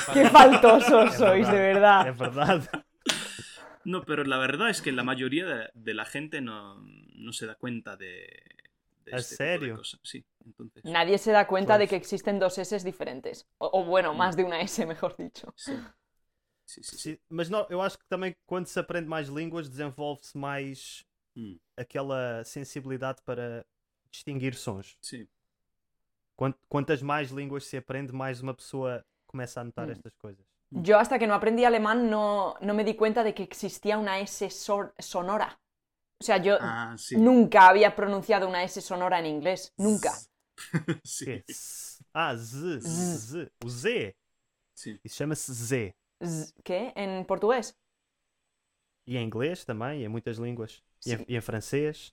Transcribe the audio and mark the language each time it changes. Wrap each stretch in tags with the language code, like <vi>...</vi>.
<es>parla. ¡Qué faltosos sois, de verdad! Es verdad. No, pero la verdad es que la mayoría de la gente no se da cuenta de... ¿En serio? Sí, entonces... Nadie se da cuenta pues... de que existen dos S diferentes. O bueno, más de una S, mejor dicho. Sí.</es> <pt>Mas não, eu acho que também quando se aprende mais línguas, desenvolve-se mais aquela sensibilidade para distinguir sons. Sim. Quantas mais línguas se aprende, mais uma pessoa começa a notar estas coisas. Eu,</pt> <es>hasta que</es> <pt>não aprendi alemão, não me</pt> <es>di cuenta de que</es> <pt>existia uma S sonora.</pt> <es>O sea, yo sí. nunca había pronunciado una S sonora en inglés. Nunca. Sí. Ah, Z. Z. Z. Sí. Y se llama Z. ¿Qué? ¿En portugués? Y en inglés también, y en muchas lenguas. Sí. Y en francés.</es>